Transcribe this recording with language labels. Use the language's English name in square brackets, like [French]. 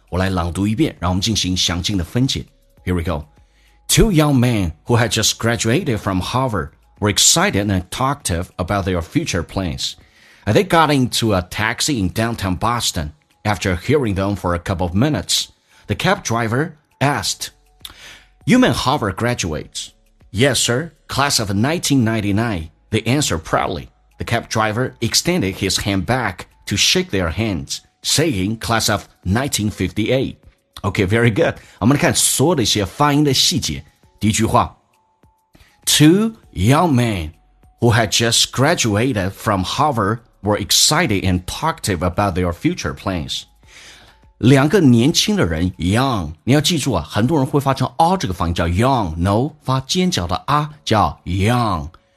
[Chinese] 我来朗读一遍，让我们进行详尽的分解。 [English] Here we go. Two young men who had just graduated from Harvard were excited and talkative about their future plans. They got into a taxi in downtown Boston. After hearing them for a couple of minutes, the cab driver asked, You men Harvard graduates? Yes, sir, class of 1999. They answered proudly. The cab driver extended his hand back to shake their hands, saying, class of 1958. Okay, very good. [Chinese] 我们来看所有的一些发音的细节。第一句话。 [English] Two young men who had just graduated from Harvard were excited and talkative about their future plans. [Chinese] 两个年轻的人 ,young, 你要记住啊，很多人会发成 R 这个发音叫 young, no, 发尖角的 R 叫 young.